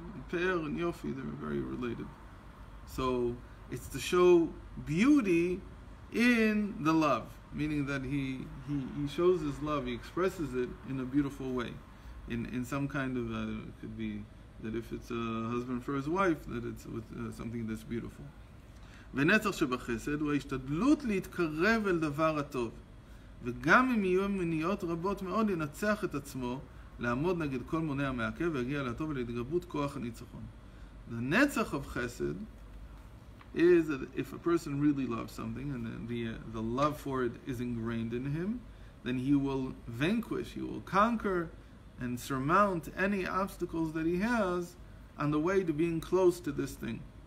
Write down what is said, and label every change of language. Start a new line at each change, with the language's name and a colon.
English: Pe'er and Yofi, they're very related. So it's to show beauty in the love, meaning that he shows his love, he expresses it in a beautiful way, in some kind of it could be that if it's a husband for his wife, that it's with something that's beautiful.
Hebrew: ונצח שבחסד הוא ההשתדלות להתקרב אל דבר הטוב וגם אם יהיו מניעות רבות מאוד לנצח את עצמו לעמוד נגד כל מונע מעכב והגיע לטוב ולהתגברות כוח הניצחון.
English: The נצח of chesed is that if a person really loves something and the love for it is ingrained in him, then he will vanquish, he will conquer and surmount any obstacles that he has on the way to being close to this thing.